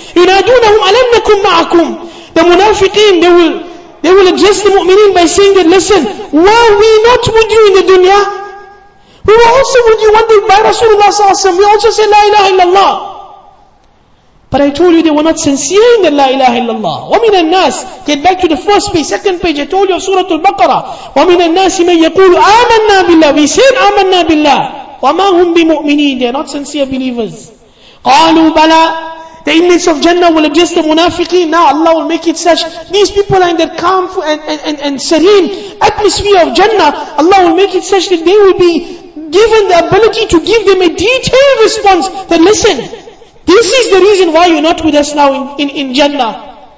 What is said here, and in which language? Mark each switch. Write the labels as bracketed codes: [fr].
[ar] يُنَادُونَهُمْ أَلَمْ نَكُمْ مَعَكُمْ [en] The munafiqeen, they will address the mu'mineen by saying that, listen, were we not with you in the dunya? We were also with you one day by Rasulullah صلى الله عليه وسلم. We also said, La ilaha illallah. But I told you they were not sincere in the La ilaha illallah. [ar] وَمِنَ النَّاسِ [en] Get back to the first page, second page. I told you of Surah Al-Baqarah. [ar] وَمِنَ النَّاسِ مَنْ يَقُولُ آمَنَّا بِاللَّهِ [en] We said [ar] آمَنَّا بِاللَّهِ وَمَا هُمْ بِمُؤْمِنِينَ [en] They are not sincere believers. [ar] قَالُوا بَلَا [en] The inmates of Jannah will address the munafiqeen. Now Allah will make it such. These people are in that calm and serene atmosphere of Jannah. Allah will make it such that they will be given the ability to give them a detailed response. That listen, this is the reason why you're not with us now in Jannah.